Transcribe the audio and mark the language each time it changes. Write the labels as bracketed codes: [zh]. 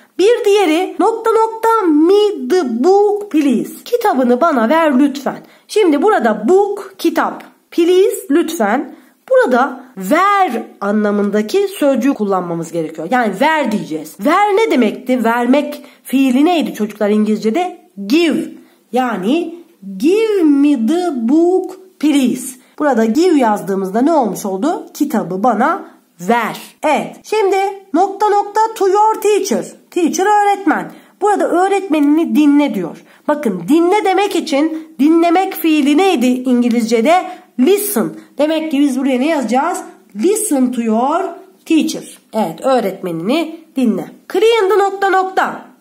[tr] Bir diğeri nokta nokta [en] me the book please. [tr] Kitabını bana ver lütfen. Şimdi burada book kitap, please lütfen. Burada ver anlamındaki sözcüğü kullanmamız gerekiyor. Yani ver diyeceğiz. Ver ne demekti? Vermek fiili neydi çocuklar İngilizce'de? [en] Give. [tr] Yani [en] give me the book please. [tr] Burada give yazdığımızda ne olmuş oldu? Kitabı bana ver. Evet. Şimdi nokta nokta [en] to your teacher. [tr] Teacher öğretmen. Burada öğretmenini dinle diyor. Bakın, dinle demek için dinlemek fiili neydi İngilizce'de? Listen. Demek ki biz buraya ne yazacağız? [en] Listen to your teacher. [tr] Evet, öğretmenini dinle. [en] Clean the [tr] nokta nokta.